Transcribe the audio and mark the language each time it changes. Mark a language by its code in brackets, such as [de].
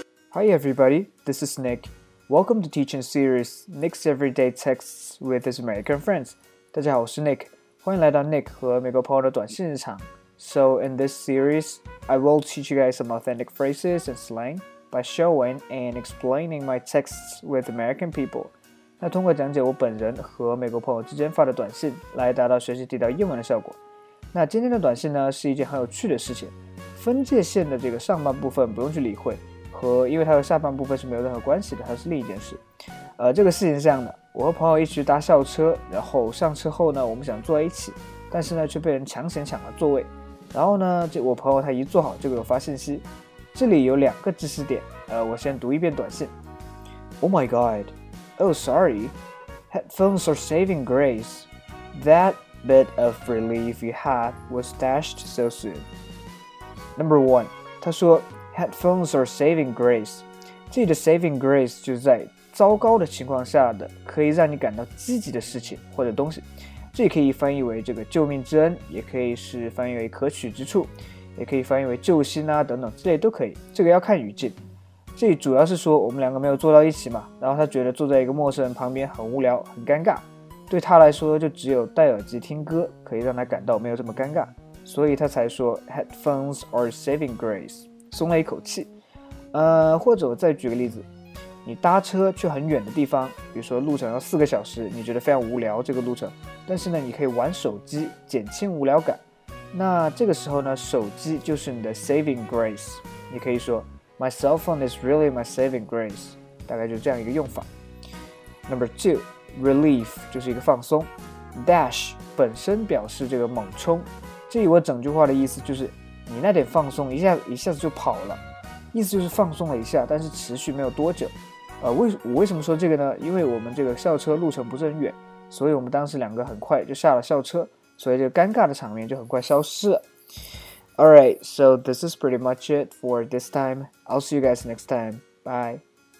[en] Hi everybody, this is Nick. Welcome to teaching series Nick's Everyday Texts with his American friends. [zh] 大家好，我是 Nick， 欢迎来到 Nick 和美国朋友的短信日常。 [en] So in this series, I will teach you guys some authentic phrases and slang by showing and explaining my texts with American people. [zh] 那通过讲解我本人和美国朋友之间发的短信，来达到学习地道英文的效果。那今天的短信呢，是一件很有趣的事情。分界线的这个上半部分不用去理会。和因为它和下半部分是没有任何关系的，它是另一件事。这个事情是这样的，我和朋友一起搭校车，然后上车后呢，我们想坐在一起，但是呢却被人强行抢了座位。然后呢，这我朋友他一坐好就给我发信息，这里有两个知识点，我先读一遍短信。 [en] Oh my god, oh sorry, headphones are saving grace. That bit of relief you had was dashed so soon. Number one, [zh] 他说 [en] Headphones are saving grace. [zh] 这里的 saving grace 就是在糟糕的情况下的可以让你感到积极的事情或者东西。这也可以翻译为这个救命之恩，也可以是翻译为可取之处，也可以翻译为救星啊等等之类都可以。这个要看语境。这里主要是说我们两个没有坐到一起嘛，然后他觉得坐在一个陌生人旁边很无聊很尴尬。对他来说就只有戴耳机听歌可以让他感到没有这么尴尬。所以他才说 [en] Headphones are saving grace. [zh] 松了一口气。或者我再举个例子，你搭车去很远的地方，比如说路程要四个小时，你觉得非常无聊这个路程，但是呢你可以玩手机减轻无聊感，那这个时候呢手机就是你的 saving grace， 你可以说 [en] My cell phone is really my saving grace， [zh] 大概就是这样一个用法。 [en] Number two， [zh] relief 就是一个放松， dash 本身表示这个猛冲，这里我整句话的意思就是你那点放松一下子就跑了，意思就是放松了一下，但是持续没有多久。我为什么说这个呢？因为我们这个校车路程不是很远，所以我们当时两个很快就下了校车，所以这个尴尬的场面就很快消失了。 [en] All right, so this is pretty much it for this time. I'll see you guys next time. Bye.